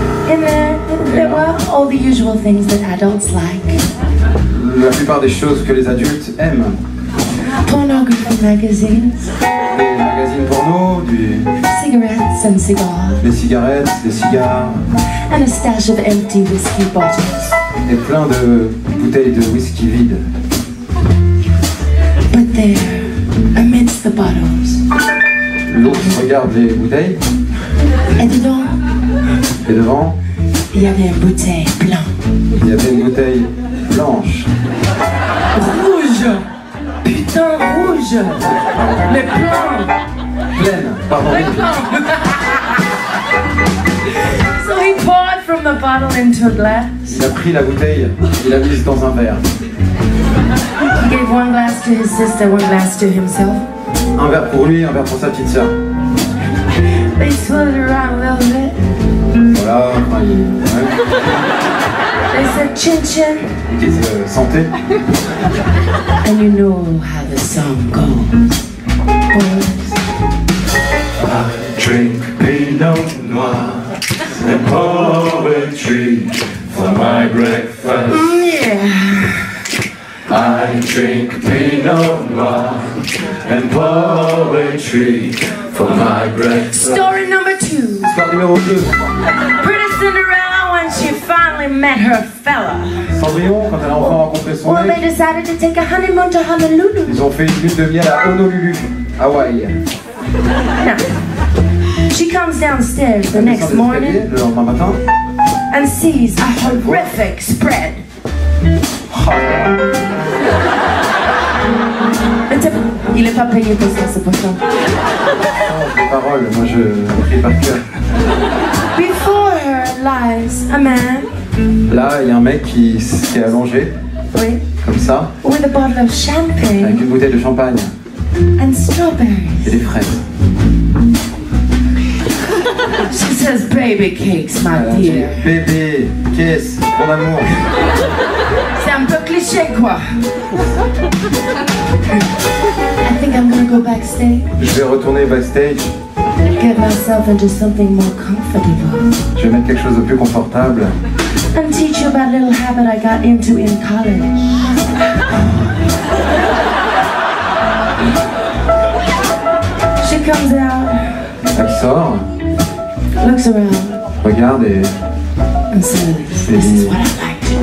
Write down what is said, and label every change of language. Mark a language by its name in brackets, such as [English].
[English] And there were all the usual things that adults like. [French] La plupart des choses que les adultes aiment. [English] Pornography magazines. [French] Des magazines porno, du. [English] Cigarettes and cigars. [French] Des cigarettes, des cigares. [English] And a stash of empty whiskey bottles. [French] Et plein de bouteilles de whisky vides. [English] But there, amidst the bottles. [French] L'autre regarde les bouteilles. Et devant. Et devant. Il y avait une bouteille blanche. Il y avait une bouteille blanche. Rouge. Putain, rouge. Mais plein. Pleine, pardon. Mais plein. [English] So he poured from the bottle into a glass. [French] Il a pris la bouteille, il l'a mise dans un verre. [English] He gave one glass to his sister, one glass to himself. [French] Un verre pour lui, un verre pour sa petite sœur. [English] They swirled around a little bit. [French] Voilà, enfin, il... ouais. [English] They said chin chin. [French] Ils disent santé. [English] And you know how the song goes. Boys. I drink Boule Noire. And poetry for my breakfast. Yeah. I drink Pinot Noir and poetry for my breakfast. Story number two. Story number two. Pretty Cinderella when she finally met her fella. [French] Cendrillon quand elle a enfin rencontré son mec. [English] They decided to take a honeymoon to Honolulu. [French] Ils ont fait une lune de miel à Honolulu, Hawaï. [English] She comes downstairs the next morning and sees a horrific spread. [French] Il est pas payé pour ça, c'est pour ça. Parole, moi je prie par cœur. [English] Before her lies a man. [French] Là, il y a un mec qui s'est allongé. Oui. Comme ça. [English] With a bottle of champagne. [French] Avec une bouteille de champagne. [English] And strawberries. [French] Et des fraises. [English] She says, baby cakes, my dear. [French] Bébé, caisse, mon amour. C'est un peu cliché. cliché, quoi. [English] I think I'm gonna go backstage. [French] Je vais retourner backstage. [English] Get myself into something more comfortable. [French] Je vais mettre quelque chose de plus confortable. [English] And teach you about a little habit I got into in college. She comes out. [French] Elle sort. [English] Looks around. [French] Regarde et... [English] And says, this is what I like to do.